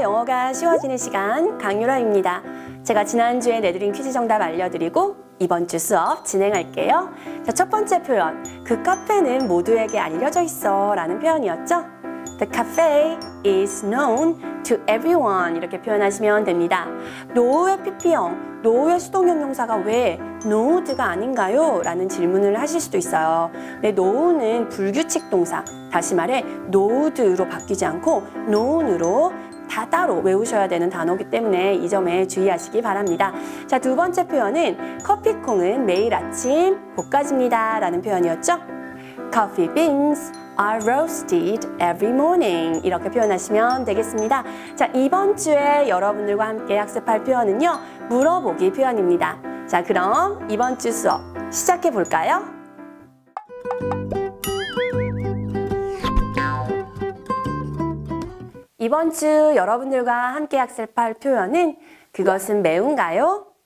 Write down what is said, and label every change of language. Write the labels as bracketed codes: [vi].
[ko] 영어가 쉬워지는 시간 강유라입니다. 제가 지난주에 내드린 퀴즈 정답 알려드리고 이번 주 수업 진행할게요. 자, 첫 번째 표현, 그 카페는 모두에게 알려져 있어 라는 표현이었죠. [en] The cafe is known to everyone [ko] 이렇게 표현하시면 됩니다. 노우의 PP형, 노우의 수동형용사가 왜 노우드가 아닌가요? 라는 질문을 하실 수도 있어요. 네, 노우는 불규칙 동사, 다시 말해 노우드로 바뀌지 않고 노운으로 다 따로 외우셔야 되는 단어이기 때문에 이 점에 주의하시기 바랍니다. 자, 두 번째 표현은 커피콩은 매일 아침 볶아집니다 라는 표현이었죠. [en] Coffee beans are roasted every morning [ko] 이렇게 표현하시면 되겠습니다. 자, 이번 주에 여러분들과 함께 학습할 표현은요, 물어보기 표현입니다. 자, 그럼 이번 주 수업 시작해 볼까요? 이번 주 여러분들과 함께 학습할 표현은 그것은 매운가요?